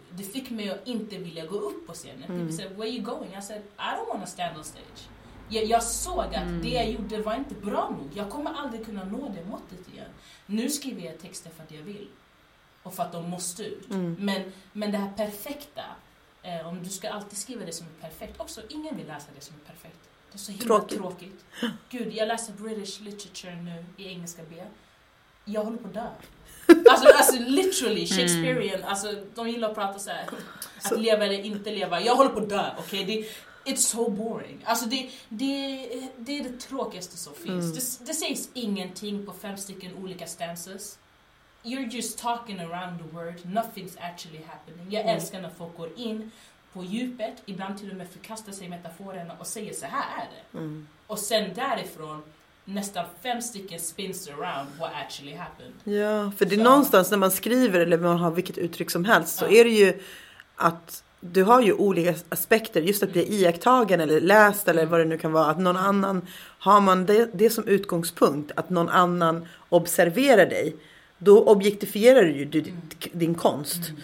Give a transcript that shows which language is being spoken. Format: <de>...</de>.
<sv>Det fick mig att inte vilja gå upp på scenen.</sv> <en>People said, where are you going? I said, I don't want to stand on stage.</en> <sv>Jag såg att det jag gjorde var inte bra nog. Jag kommer aldrig kunna nå det måttet igen. Nu skriver jag texter för att jag vill. Och för att de måste ut. Men det här perfekta, om du ska alltid skriva det som är perfekt, också ingen vill läsa det som är perfekt. Det är så himla tråkigt. Gud, jag läser</sv> <en>British literature</en> <sv>nu i engelska B. Jag håller på att dö. Alltså literally, Shakespearean. Alltså, de gillar att prata så här. Att leva eller inte leva. Jag håller på att dö, okej?</sv> <en>Okay? It's so boring.</en> <sv>Alltså det är det tråkigaste som finns. Mm. Det sägs ingenting på 5 stycken olika stances.</sv> <en>You're just talking around the word. Nothing's actually happening.</en> <sv>Jag älskar när folk går in på djupet. Ibland till och med förkastar sig metaforerna och säger så här är det. Mm. Och sen därifrån nästan 5 stycken</sv> <en>spins around what actually happened.</en> <sv>Ja, för det är någonstans när man skriver eller man har vilket uttryck som helst så är det ju att du har ju olika aspekter, just att bli iakttagen eller läst eller vad det nu kan vara, att någon annan, har man det som utgångspunkt, att någon annan observerar dig, då objektifierar du ju din konst.</sv>